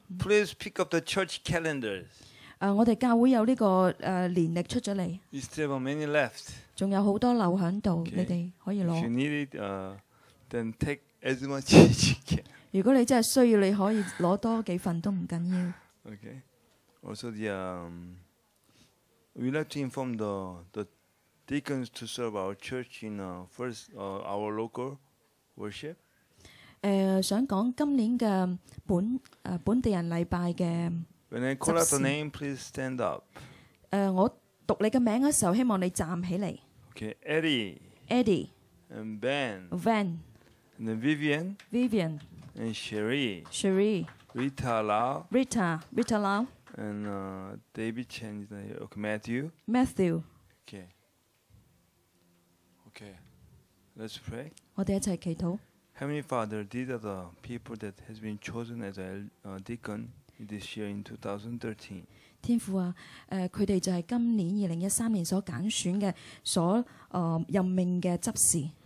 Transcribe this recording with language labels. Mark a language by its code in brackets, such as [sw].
[en] Please pick up the church calendars. [yue] 我哋教會有呢個年曆出咗嚟。 [en] We still have many left. [yue] 仲有好多留喺度，你哋可以攞。 [en] If you need it, then take as much as you can. [yue] 如果你真係需要，你可以攞多幾份都唔緊要。 [en] Okay. Also the we like to inform the deacons to serve our church in first our local worship. [yue] 想講今年嘅本地人禮拜嘅執事。 [en] When I call out the name, please stand up. [yue] 我讀你嘅名嘅時候，希望你站起嚟。 [en] Okay, Eddie. Eddie. And Ben. Van. And Vivian. Vivian. And Cherie. Cherie. Rita Lau. Rita. Rita Lau. And David Chen. Okay, Matthew. Matthew. Okay. Okay. Let's pray. [yue] 我哋一齊祈禱。 [en] Heavenly Father, these are the people that has been chosen as a deacon this year in 2013. [yue] 天父啊，佢哋就係今年2013年所揀選嘅，所任命嘅執事。